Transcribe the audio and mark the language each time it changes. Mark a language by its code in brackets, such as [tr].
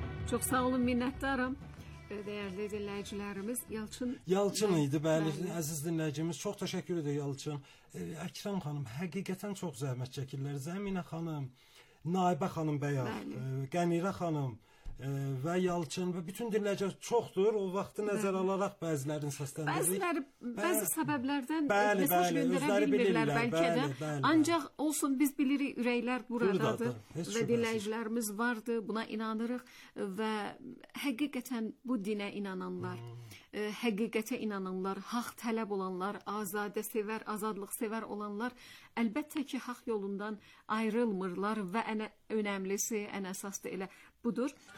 [tr] Çok sağ olun, minnettarım. Değerli dinleyicilerimiz, Yalçın. [az] Yalçın idi, bəli, əziz dinleyicimiz. [tr] Çok teşekkür ederim Yalçın. Ekrem Hanım, hakikaten çok zahmet çekirler. [az] Zemine Hanım, Naibə Hanım Bəyar, Gənirə Hanım ve Yalçın ve bütün dinleyiciler çoxdur. O vaxtı nəzər alaraq bəzilərin səsləndirdik. Bəzi səbəblərdən mesaj göndərə bilmirlər belki de. Ancaq olsun, biz bilirik, ürəklər buradadır. Ve dinleyicilerimiz vardı, buna inanırıq. Ve həqiqətən bu dinə inananlar, həqiqətə inananlar, haq tələb olanlar, azadə sevər, azadlıq sevər olanlar əlbəttə ki, haq yolundan ayrılmırlar və ən önəmlisi, ən əsası elə budur.